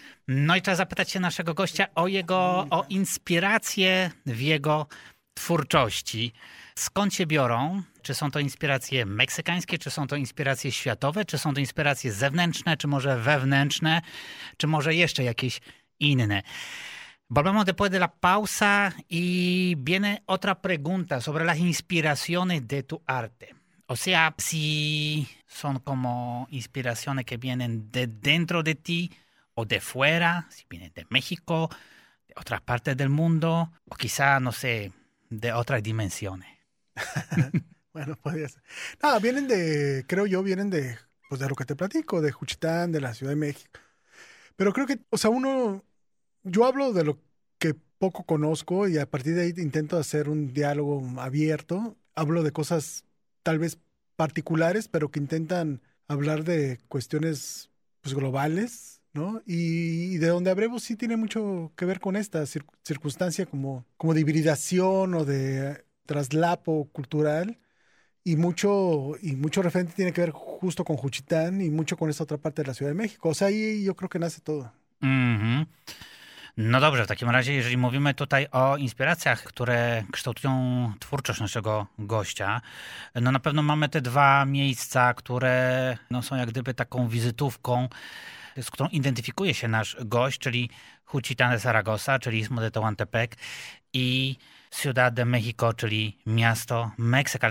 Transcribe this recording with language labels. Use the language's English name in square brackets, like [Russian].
[Polish] No i trzeba zapytać się naszego gościa o inspirację w jego twórczości. Skąd się biorą? Czy są to inspiracje meksykańskie, czy są to inspiracje światowe, czy są to inspiracje zewnętrzne, czy może wewnętrzne, czy może jeszcze jakieś inne? [Spanish] Volvemos después de la pausa y viene otra pregunta sobre las inspiraciones de tu arte. O sea, si son como inspiraciones que vienen de dentro de ti o de fuera, si vienen de México, de otras partes del mundo, o quizá, no sé, de otras dimensiones. Bueno, podría ser. No, vienen de lo que te platico, de Juchitán, de la Ciudad de México. Pero creo que, o sea, yo hablo de lo que poco conozco y a partir de ahí intento hacer un diálogo abierto. Hablo de cosas tal vez particulares, pero que intentan hablar de cuestiones pues globales, ¿no? Y de donde hablemos sí tiene mucho que ver con esta circunstancia como de hibridación o de traslapo cultural. Y mucho referente tiene que ver justo con Juchitán y mucho con esa otra parte de la Ciudad de México. O sea, ahí yo creo que nace todo. Mm-hmm. [Polish] No dobrze, w takim razie, jeżeli mówimy tutaj o inspiracjach, które kształtują twórczość naszego gościa, no na pewno mamy te dwa miejsca, które no są jak gdyby taką wizytówką, z którą identyfikuje się nasz gość, czyli Juchitán de Zaragoza, czyli Istmo de Tehuantepec i Ciudad de México, czyli miasto Meksyk.